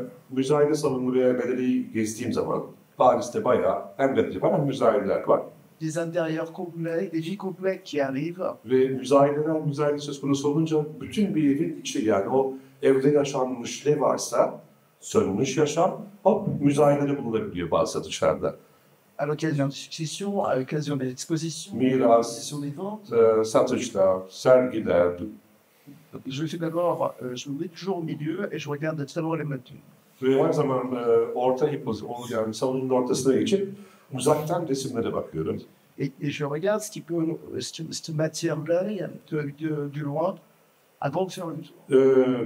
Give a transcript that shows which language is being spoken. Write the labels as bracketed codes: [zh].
[tr] Müzayede savunmaya bedeli gezdiğim zaman, Paris'te bayağı hem de bir müzayedeler var. [fr] Des intérieurs complets, des vies complètes qui arrivent. [tr] Ve müzayede söz konusu olunca bütün bir evin içi, yani o evde yaşanmış ne varsa, sönmüş yaşam, hop müzayedede bulunabiliyor bazı dışarıda. [fr] À l'occasion de succession, à l'occasion de l'exposition, [tr] miras, satışlar, sergiler. [fr] Je suis d'abord, je me mets toujours au milieu et je regarde de très loin les meubles. [tr] Ve her zaman orta pozisyon, yani salonun ortasına geçip uzaktan resimlere bakıyorum. [fr] Et je regarde ce qui peut, cette matière-là, de loin, avant de faire le tour.